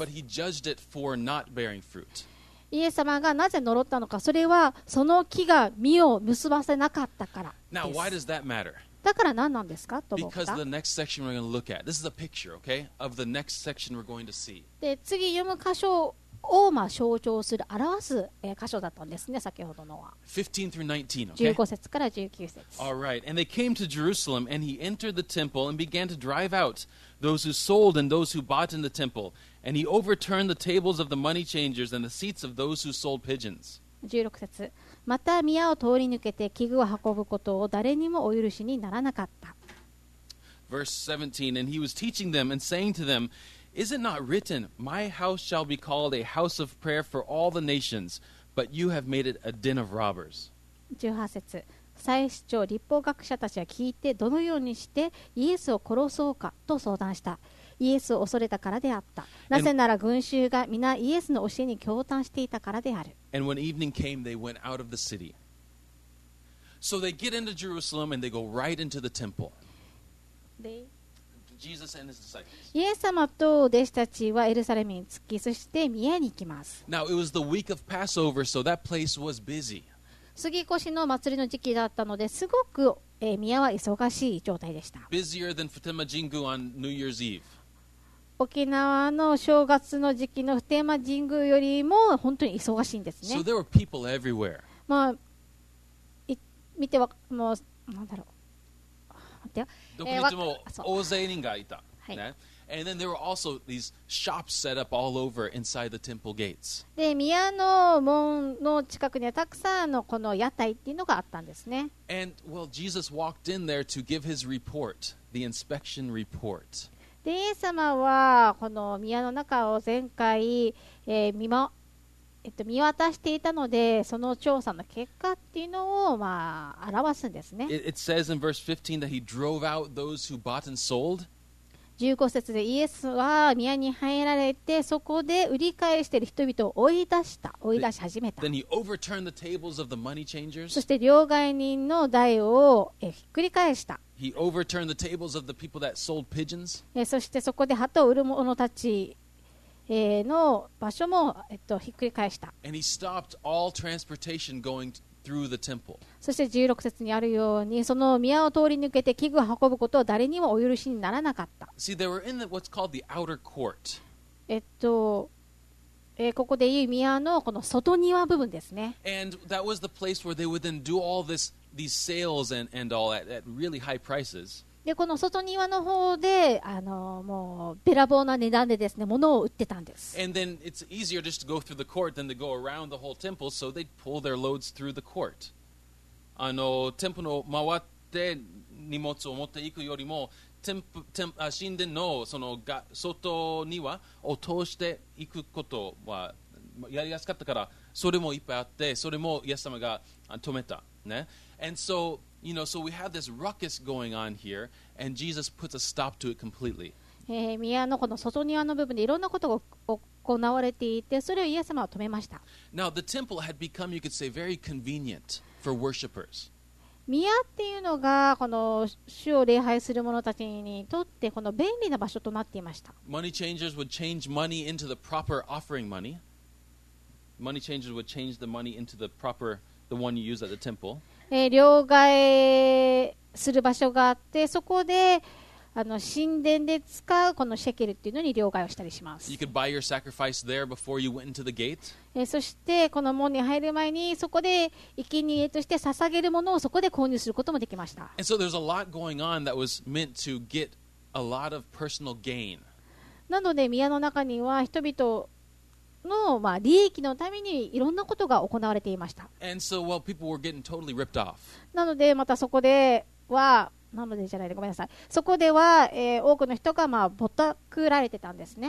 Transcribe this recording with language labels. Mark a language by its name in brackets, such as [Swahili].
[English] But he judged it for not bearing fruit. [Japanese] イエス様がなぜ呪ったのか、それはその木が実を結ばせなかったからです。 [English] Now, why does that matter? [Japanese] だから何なんですかと思った。 [English] Because the next section we're going to look at. This is a picture, okay? Of the next section we're going to see. [Japanese] で、次読む箇所を、まあ、象徴する、表す、箇所だったんですね、先ほどのは。 [English] 15-19, [Japanese] okay? 15節から19節。 [English] All right. And they came to Jerusalem, and he entered the temple and began to drive out those who sold and those who bought in the temple. And he overturned the tables of the money changers and the seats of those who sold pigeons. [Japanese] 16節。また宮を通り抜けて器具を運ぶことを誰にもお許しにならなかった。 [English] Verse 17. And he was teaching them and saying to them, Is it not written, My house shall be called a house of prayer for all the nations, but you have made it a den of robbers. [Japanese] 18節。祭司長、律法学者たちは聞いて、どのようにしてイエスを殺そうかと相談した。イエスを恐れたからであった。なぜなら群衆が皆イエスの教えに驚嘆していたからである。 [English] And when evening came, they went out of the city. So they get into Jerusalem and they go right into the temple. Jesus and his disciples. [Japanese] イエス様と弟子たちはエルサレムに着き、そして宮に行きます。 [English] Now it was the week of Passover, so that place was busy. [Japanese] 過ぎ越しの祭りの時期だったのですごく宮は忙しい状態でした。 [English] Busier than Fatima Jingu on New Year's Eve. [Japanese] 沖縄の正月の時期の普天間神宮よりも本当に忙しいんですね。 [English] So there were people everywhere. [Japanese] まあ、見てはもう何だろう。待ってよ。どこに行っても大勢人がいた。はい。 [English] And then there were also these shops set up all over inside the temple gates. [Japanese] で、宮の門の近くにはたくさんのこの屋台っていうのがあったんですね。 [English] And well, Jesus walked in there to give his report. the inspection report. [Japanese] で、イエス様はこの宮の中を前回、見渡していたので、その調査の結果っていうのを、まあ、表すんですね。 [English] It says in verse 15 that he drove out those who bought and sold. [Japanese] 15節でイエスは宮に入られて、そこで売り買いしている人々を追い出した、追い出し始めた。 [English] Then he overturned the tables of the money changers. [Japanese] そして両替人の台をひっくり返した。 [English] He overturned the tables of the people that sold pigeons. [Japanese] そしてそこで鳩を売る者たちの場所も、ひっくり返した。 [English] And he stopped all transportation going through the temple. [Japanese] そして16節にあるように、その宮を通り抜けて器具を運ぶことを誰にもお許しにならなかった。 [English] See, they were in what's called the outer court. [Japanese] ここでいう宮のこの外庭部分ですね。 [English] And that was the place where they would then do all this. These sales and all at really high prices. [Japanese] でこの外庭の方でもうべらぼうな値段でですね物を売ってたんです。 [English] And then it's easier just to go through the court than to go around the whole temple, so they'd pull their loads through the court. [Japanese] テンポの回って荷物を持っていくよりも神殿のその外庭を通していくことはやりやすかったから、それもいっぱいあって、それもイエス様が止めたね。 [English] And so, you know, so we have this ruckus going on here, and Jesus puts a stop to it completely. [Japanese] 宮のこの外庭の部分でいろんなことが行われていて、それをイエス様は止めました。 [English] Now, the temple had become, you could say, very convenient for worshippers. [Japanese] 宮っていうのがこの主を礼拝する者たちにとってこの便利な場所となっていました。 [English] Money changers would change money into the proper offering money. Money changers would change the money into the proper, the one you use at the temple. [Japanese] 両替する場所があって、そこで神殿で使うこのシェケルっていうのに両替をしたりします。 [English] You could buy your sacrifice there before you went into the gate. [Japanese] そしてこの門に入る前にそこで生贄として捧げるものをそこで購入することもできました。 [English] And so there's a lot going on that was meant to get a lot of personal gain. [Japanese] なので宮の中には人々のまあ利益のためにいろんなことが行われていました。 [English] So, well, totally、 [Japanese] なのでまたそこではなのでじゃないでごめんなさい。そこでは、多くの人がまあぼったくられてたんですね。